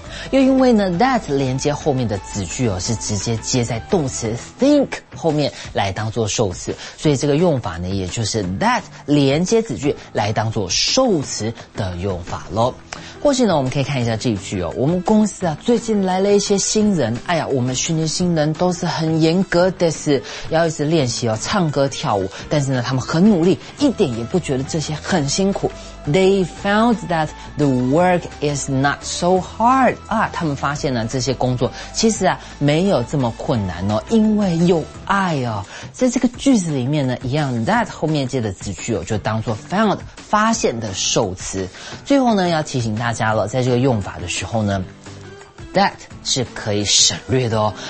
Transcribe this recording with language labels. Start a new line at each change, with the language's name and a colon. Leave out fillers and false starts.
Chinese: 又因为呢 that 连接后面的子句哦，是直接接在动词 think 后面来当作受词，所以这个用法呢，也就是 that 连接子句来当作受词的用法咯。或许呢，我们可以看一下这一句哦，我们公司啊最近来了一些新人，哎呀，我们训练新人都是很严格的，是要一直练习哦，唱歌跳舞，但是呢他们很努力，一点也不觉得这些很辛苦。
English: They found that the work is not so hard.
Chinese: 啊，他们发现了这些工作其实啊没有这么困难哦，因为有爱哦。在这个句子里面呢，一样 that 后面接的子句哦，就当作 found 发现的受词。最后呢，要提醒大家了，在这个用法的时候呢， that 是可以省略的哦。